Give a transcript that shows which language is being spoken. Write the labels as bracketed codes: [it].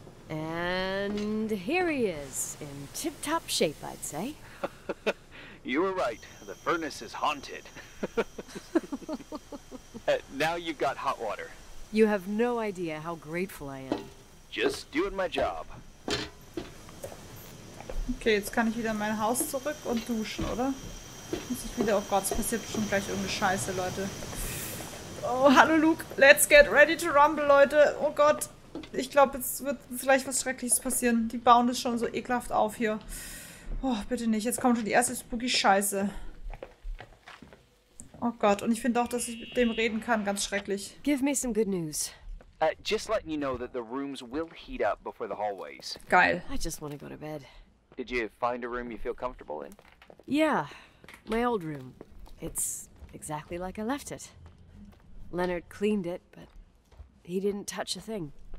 [en] And here he is, in tip-top shape, I'd say. You were right. The furnace is haunted. Now you've got hot water. You have no idea how grateful I am. Just doing my job. [de] Okay, jetzt kann ich wieder in mein Haus zurück und duschen, oder? Muss ich wieder... Oh Gott, es passiert schon gleich irgendeine Scheiße, Leute. Oh, hallo Luke. [en] Let's get ready to rumble, [de] Leute. Oh Gott. Ich glaube, jetzt wird vielleicht was Schreckliches passieren. Die bauen es schon so ekelhaft auf hier. Oh, bitte nicht. Jetzt kommt schon die erste Spooky-Scheiße. Oh Gott, und ich finde auch, dass ich mit dem reden kann. Ganz schrecklich. [en] Give me some good news. Just letting you know that the rooms will heat up before the hallways. [de] Geil. [en] I just want to go to bed. Did you find a room you feel comfortable in? Yeah, my old room. It's exactly like I left it. Leonard cleaned it, but he didn't touch a thing.